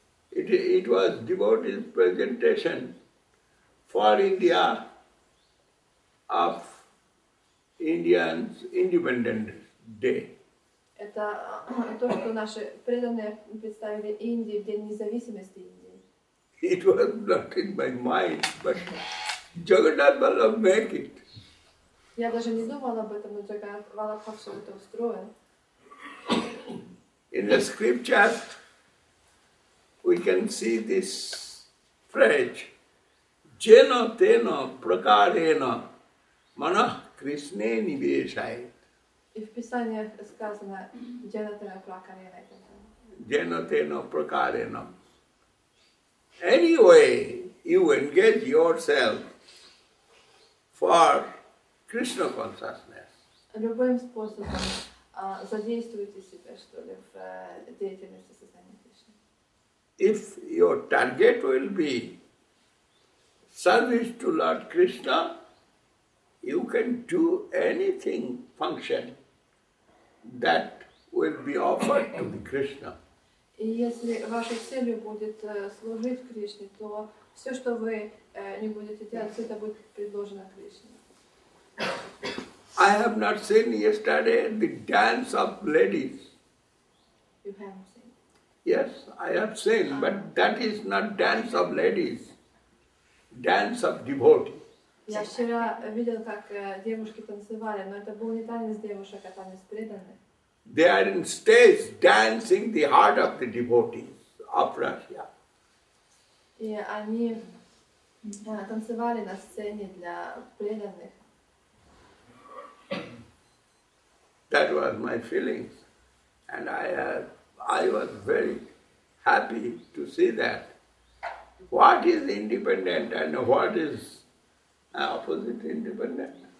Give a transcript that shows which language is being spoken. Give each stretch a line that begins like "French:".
English: It was devotees' presentation for India of Indians' independence.
Russian: Это то, что наши преданные представили Индии в день независимости Индии.
English: It was not in my mind, but Jagannath Vallabh make it.
Russian: Я даже не думал об этом, но Джагат Валабха все это устроил.
English: In the scriptures we can see this phrase: Jena Tena Prakarena Manah Krishne Niveshaye.
Russian: И в Писаниях сказано «Дженатена Пракарена».
Sanskrit: Дженатена Пракарена.
English: Anyway, you engage yourself for Krishna consciousness.
Russian: Любым способом задействуйте себя, что ли, в деятельности сознания Кришны.
English: If your target will be service to Lord Krishna, you can do anything function that will be offered to the Krishna.
Russian: И если вашей целью будет служить Кришне, то все, что вы не будете делать, это будет предложено Кришне.
English: I have not seen yesterday the dance of ladies. You haven't seen? Yes, I have seen, but that is not dance of ladies. Dance of devotees.
Russian: Я вчера видел, как девушки танцевали, но это был не танец девушек, а танец преданных.
English: They are in stage dancing the heart of the devotees of Russia.
Russian: И они танцевали на сцене для преданных.
English: That was my feelings, and I was very happy to see that. What is independent and what is opposite independent?